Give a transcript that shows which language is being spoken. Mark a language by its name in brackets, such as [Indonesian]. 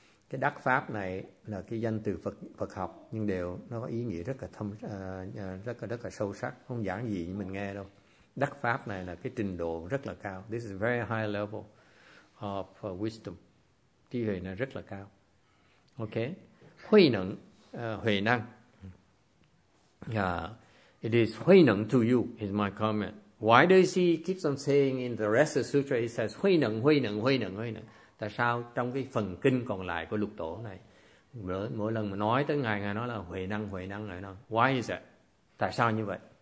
[Vietnamese] Cái đắc pháp này là cái danh từ Phật học, nhưng đều nó có ý nghĩa rất là thâm, rất là sâu sắc, không giản dị như mình nghe đâu. Đắc pháp này là cái trình độ rất là cao. [English] This is a very high level of wisdom. [Vietnamese] Trí huệ này rất là cao. [English] Okay? Hui Neng, Hui Neng. It is Hui Neng to you, is my comment. Why does he keep on saying in the rest of the sutra, he says, Hui Neng, Hui Neng, Hui Neng, Hui Neng. [Vietnamese] Tại sao trong cái phần kinh còn lại của lục tổ này, mỗi lần mà nói tới ngài, ngài nói là Hui Neng, Hui Neng, Hui Neng. [English] Why is that? [Vietnamese] Tại sao như vậy?